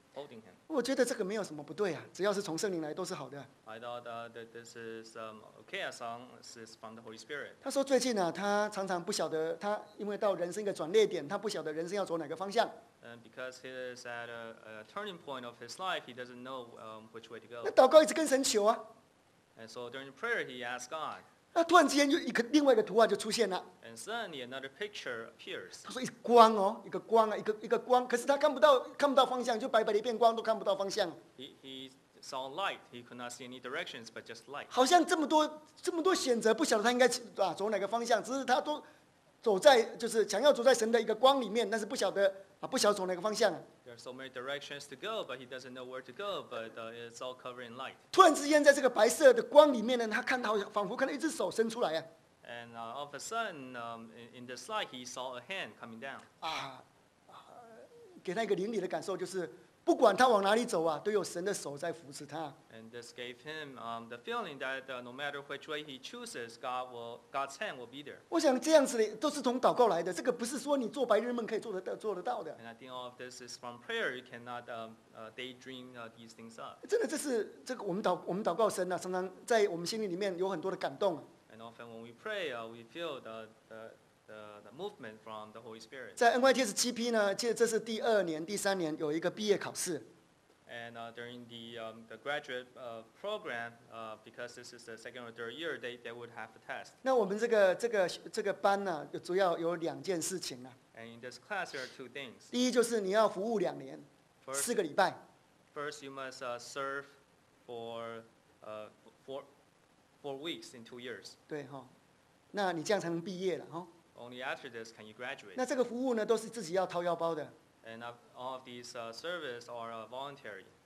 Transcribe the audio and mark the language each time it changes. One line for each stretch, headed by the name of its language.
English: Him.
Chinese: 我觉得这个没有什么不对啊，只要是从圣灵来都是好的。
English: I thought that this is okay as long as it's from the Holy Spirit.
Chinese: 他说最近呢、啊，他常常不晓得他因为到人生一个转捩点，他不晓得人生要走哪个方向。
English: And because he is at a turning point of his life, he doesn't know which way to go.
Chinese: 那祷告一直跟神求啊。
English: And so during the prayer, he asked God.
Chinese: 那突然之间就一个另外一个图画就出现了。
English: And suddenly another picture appears.
Chinese: 他说一光哦，一个光啊，一个光，可是他看不到方向，就白白的一片光都看不到方向。
English: He saw light. He could not see any directions, but just light.
Chinese: 好像这么多选择，不晓得他应该啊走哪个方向，只是他都走在就是想要走在神的一个光里面，但是不晓得啊不晓得走哪个方向。
English: There are so many directions to go, but he doesn't know where to go. But it's all covered in light.
Chinese: 突然之间在这个白色的光里面呢，他看到仿佛看到一只手伸出来啊。
English: And all of a sudden, in this light, he saw a hand coming down.
Chinese: 啊，给他一个灵里的感受，就是不管他往哪里走啊，都有神的手在扶持他。
English: And this gave him the feeling that no matter which way he chooses, God's hand will be there.
Chinese: 我想这样子都是从祷告来的，这个不是说你做白日梦可以做得到的。
English: And I think all of this is from prayer. You cannot daydream these things up.
Chinese: 真的，这是这个我们祷告神呢、啊，常常在我们心灵里面有很多的感动。
English: And often when we pray, we feel the movement from the Holy Spirit.
Chinese: 在 NYTS 7P 呢，其实这是第二年、第三年有一个毕业考试。
English: And during the graduate program, because this is the second or third year, they would have a test.
Chinese: 那我们这个班呢、啊，主要有两件事情啊。
English: And in this class, there are two things.
Chinese: 第一就是你要服务两年，
English: first,
Chinese: 四个礼拜。
English: First, you must serve for four weeks in 2 years.
Chinese: 对哈、哦，那你这样才能毕业了哈、哦。
English: Only after this can you graduate.
Chinese: 那这个服务呢，都是自己要掏腰包的。
English: And all of these services are voluntary.